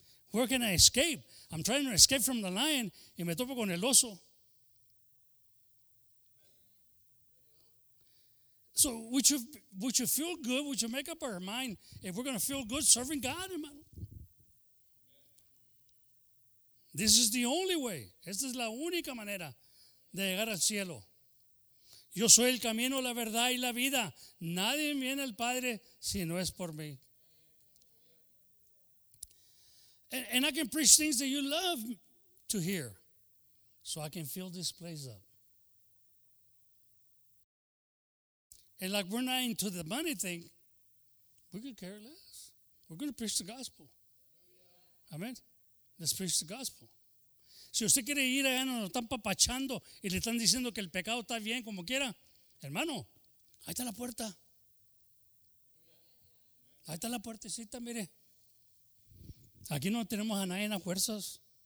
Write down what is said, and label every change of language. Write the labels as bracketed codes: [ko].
[en] Where can I escape? I'm trying to escape from the lion, [es] y me topo con el oso. [en] So we should feel good, we should make up our mind if we're going to feel good serving God, hermano. This is the only way. [es] Esta es la única manera de llegar al cielo. Yo soy el camino, la verdad y la vida. Nadie viene al Padre si no es por mí. [en] And I can preach things that you love to hear so I can fill this place up. And like we're not into the money thing, we could care less. We're going to preach the gospel. Amen. Let's preach the gospel. [es] Si usted quiere ir allá, nos están papachando y le están diciendo que el pecado está bien, como quiera. Hermano, ahí está la puerta. Ahí está la puertecita, mire. Aquí no tenemos a nadie en las fuerzas.